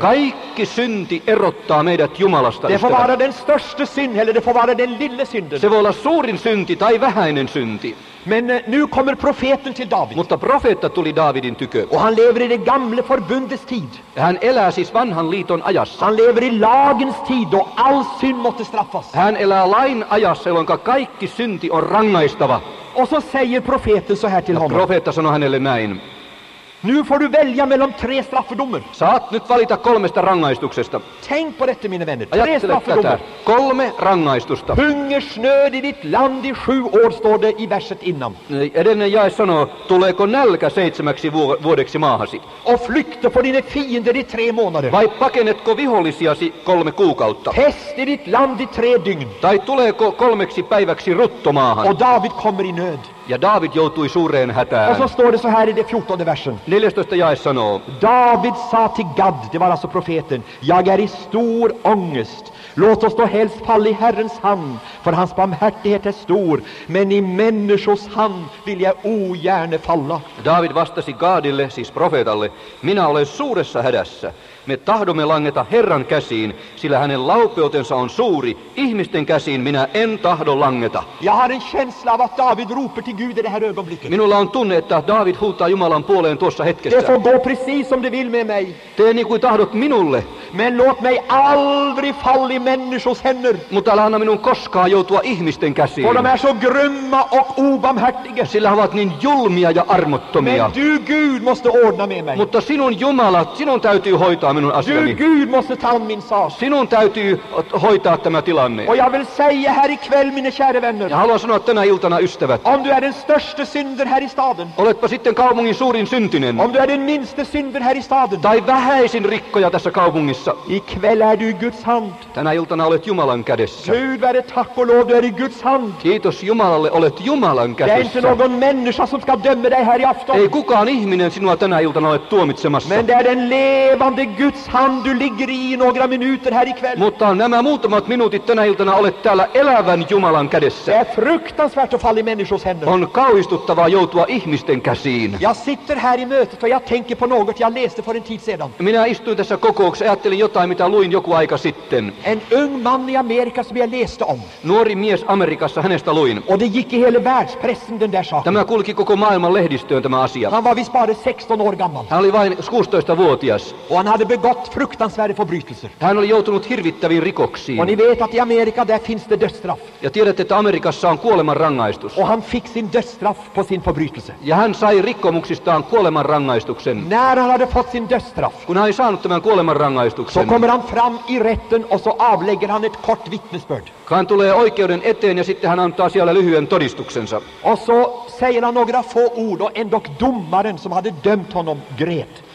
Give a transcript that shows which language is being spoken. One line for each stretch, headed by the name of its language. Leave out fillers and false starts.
Finnish: Kaikki synti erottaa meidät Jumalasta.
Swedish: Det får vara den största synd eller det får vara den lilla synden.
Finnish: Se voi olla suurin synti tai vähäinen synti.
Swedish: Men nu kommer profeten till David.
Finnish: Mutta profeetta tuli Davidin tykö.
Swedish: Och han lever i det gamla förbundets tid.
Finnish: Hän elää siis vanhan liiton ajassa.
Swedish: Han lever i lagens tid då all synd måste straffas.
Finnish: Hän elää lain ajassa, jolloin kaikki synti on rangaistava.
Swedish: Och så säger profeten så här till honom.
Finnish: Profeetta sanoi hänelle näin.
Swedish: Nu får du välja mellan tre straffedomar.
Finnish: Saat nyt valita kolmesta rangaistuksesta.
Swedish: Tänk på detta, mina vänner. Tre straffedomar.
Finnish: Kolme rangaistusta.
Swedish: Hungersnöd i ditt land i sju år, står det i verset innan.
Finnish: Edellinen jae sanoo, tuleeko nälkä seitsemäksi vuodeksi maahasi?
Swedish: Och flykta på dina fiender i tre månader.
Finnish: Vai pakennetko vihollisiasi kolme kuukautta?
Swedish: Test i ditt land i tre dygn.
Finnish: Tai tuleeko kolmeksi päiväksi ruttomaahan?
Swedish: Och David kommer i nöd.
Finnish: Ja David joutui suureen hätään.
Swedish: Och så står det så här i det 14 versen.
Finnish: 14 jae sanoo.
Swedish: David sa till Gad, det var alltså profeten. Jag är i stor ångest. Låt oss då helst falla i Herrens hand, för hans barmhärtighet är stor. Men i människors hand vill jag ogärna falla.
Finnish: David vastasi Gadille, siis profeetalle. Minä olen suuressa hädässä. Me tahdomme langeta Herran käsiin, sillä hänen laupeutensa on suuri. Ihmisten käsiin minä en tahdo langeta.
Swedish: Jag har en känsla av att David roper till Gud i det här ögonblicket.
Finnish: Minulla on tunne, että David huutaa Jumalan puoleen tuossa hetkessä.
Swedish: Det får gå precis som det vill med mig.
Finnish: Tee niin kuin tahdot minulle.
Swedish: Men låt mig aldrig falla i människors händer.
Finnish: Mutta älä anna minun koskaan joutua ihmisten käsiin.
Swedish: För de är så grymma och obarmhärtiga.
Finnish: Sillä he ovat niin julmia ja armottomia.
Swedish: Men du Gud måste ordna med mig.
Finnish: Mutta sinun Jumala, sinun täytyy hoitaa.
Swedish: Du Gud måste ta min sak.
Finnish: Sinun täytyy hoitaa tämä tilanne.
Swedish: Och jag vill säga här ikväll, mina kära vänner. Jag
Finnish: haluan sanoa tänä iltana, ystävät.
Swedish: Om du är den största synden här i staden.
Finnish: Oletpa sitten kaupungin suurin syntinen.
Swedish: Om du är den minsta synden här i staden.
Finnish: Tai vähäisin rikkoja tässä kaupungissa.
Swedish: Ikväll är du Guds hand.
Finnish: Tänä iltana olet Jumalan kädessä.
Swedish: Gud värde tack och lov, du är i Guds hand.
Finnish: Kiitos Jumalalle, olet Jumalan kädessä.
Swedish: Det är inte någon människa som ska döma dig här i afton.
Finnish: Ei kukaan ihminen sinua tänä iltana ole tuomitsemassa.
Swedish: Men det är den levande Guds hand, du ligger i några minuter här ikväll.
Finnish: Mutta nämä muutamat minuutit tänä iltana olet täällä elävän Jumalan kädessä.
Swedish: Det är fruktansvärt att falla i människors händer.
Finnish: On kauhistuttavaa joutua ihmisten käsiin.
Swedish: Jag sitter här i mötet och jag tänker på något jag läste för en tid sedan.
Finnish: Minä istuin tässä kokouksessa, ajattelin jotain, mitä luin joku aika sitten.
Swedish: En ung man i Amerika som jag läste om.
Finnish: Nuori mies Amerikassa, hänestä luin.
Swedish: Och det gick i hela världspressen den där saken.
Finnish: Tämä kulki koko maailman lehdistöön tämä asia.
Swedish: Han var vist bara 16 år gammal.
Finnish: Hän oli vain 16-vuotias.
Swedish: Och han hade begått fruktansvärda förbrytelser.
Finnish: Hän oli joutunut hirvittäviin rikoksiin.
Swedish: Och ni vet att i Amerika där finns det dödsstraff.
Finnish: Ja tiedätte, että Amerikassa on kuoleman rangaistus.
Swedish: Och han fick sin dödsstraff på sin förbrytelse.
Finnish: Ja hän sai rikkomuksistaan kuoleman rangaistuksen.
Swedish: När han hade fått sin dödsstraff.
Finnish: Kun hän oli saanut tämän kuoleman rangaistuksen.
Swedish: Så kommer han fram i rätten och så avlägger han ett kort vittnesbörd.
Finnish: Hän tulee oikeuden eteen ja sitten hän antaa siellä lyhyen todistuksensa.
Swedish: Och så säger han några få ord och en dock domaren som hade dömt honom grät.